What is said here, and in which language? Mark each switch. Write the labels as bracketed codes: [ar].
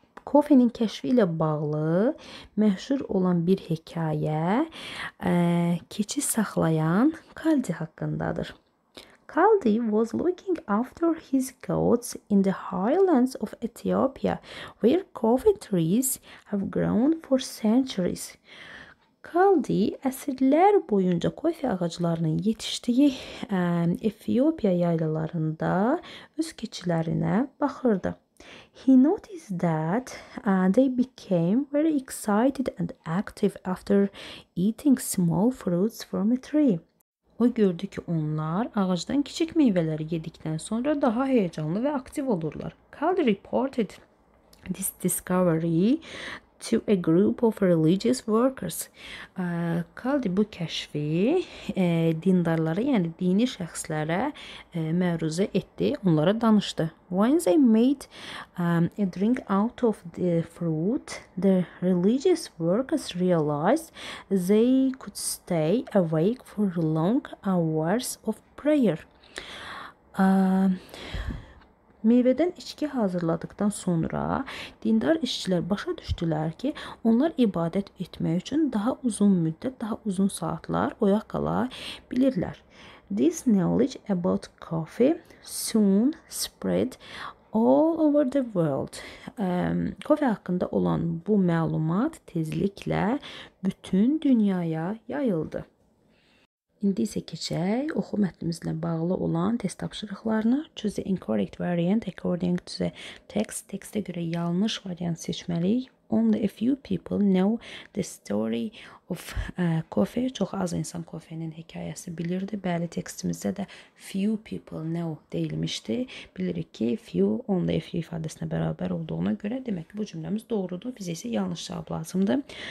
[az] Kofenin kəşfi ilə bağlı məşhur olan bir hekayə keçi saxlayan Caldy haqqındadır. [en] Caldy was looking after his goats in the highlands of Ethiopia, where coffee trees have grown for centuries. [az] Caldy əsrlər boyunca kofe ağaclarının yetişdiyi Etiyopiya yaylalarında öz keçilərinə baxırdı. [en] He noticed that they became very excited and active after eating small fruits from a tree. [az] O gördü ki, onlar ağacdan kiçik meyvələri yedikdən sonra daha həyəcanlı və aktiv olurlar. [en] Caldy reported this discovery to a group of religious workers. [az] Caldy bu kəşfi dindarlara, yəni dini şəxslərə məruzə etdi, onlara danışdı. [en] When they made a drink out of the fruit, the religious workers realized they could stay awake for long hours of prayer. [az] Meyvədən içki hazırladıqdan sonra dindar işçilər başa düşdülər ki, onlar ibadət etmək üçün daha uzun müddət, daha uzun saatlar oyaq qala bilirlər. [en] This knowledge about coffee soon spread all over the world. [az] Kofe haqqında olan bu məlumat tezliklə bütün dünyaya yayıldı. İndi isə keçək oxu mətnimizlə bağlı olan test tapşırıqlarına. [en] Choose the incorrect variant according to the text. [az] Textə görə yanlış variant seçməliyik. [en] Only a few people know the story of coffee. [az] Çox az insan coffee-nin hekayəsi bilirdi. Bəli, tekstimizdə də [en] few people know [az] deyilmişdi. Bilirik ki, few [en] only a few [az] ifadəsinə bərabər olduğuna görə demək ki, bu cümləmiz doğrudur. Bizə isə yanlış cavab lazımdır.